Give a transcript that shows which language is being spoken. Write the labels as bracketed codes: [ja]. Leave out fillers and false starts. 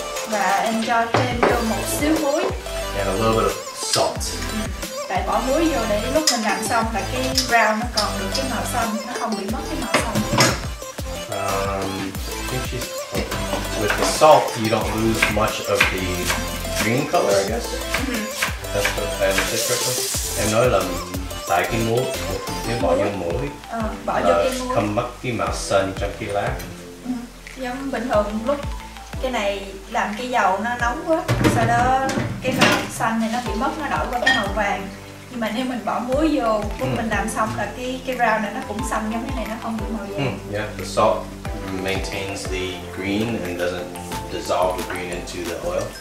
[vi] và em cho thêm vô một xíu muối. [en] And a little bit of salt. [vi] Tại bỏ muối vô để lúc mình làm xong là cái brown nó còn được cái màu xanh, nó không bị mất cái màu xanh. [en] With the salt, you don't lose much of the green color, I guess. Mm-hmm. That's what I understand correctly. [vi] Em nói là tại cái muối, nếu bỏ vô muối, bỏ vô cái muối, không mất cái màu xanh trong cái lá. Giống bình thường lúc cái này làm cái dầu nó nóng quá, sau đó cái màu xanh này nó bị mất, nó đổi qua cái màu vàng. Nhưng mà nếu mình bỏ muối vô, lúc mình làm xong là cái brown này nó cũng xanh giống cái này, nó không bị màu vàng. [en] Yeah, the salt maintains the green and doesn't dissolve the green into the oil.